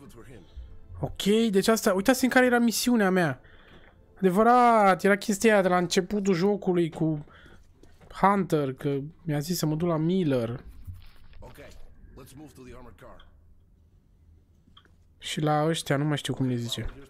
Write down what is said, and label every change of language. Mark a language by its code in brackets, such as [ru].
[ro] Nimă. Ok, deci asta, uitați în care era misiunea mea. Adevărat, era chestia aia de la începutul jocului cu Hunter, că mi-a zis să mă duc la Miller. [en] Ok, let's move to the armored car. [ro] Și la ăștia, nu mai știu cum le zice.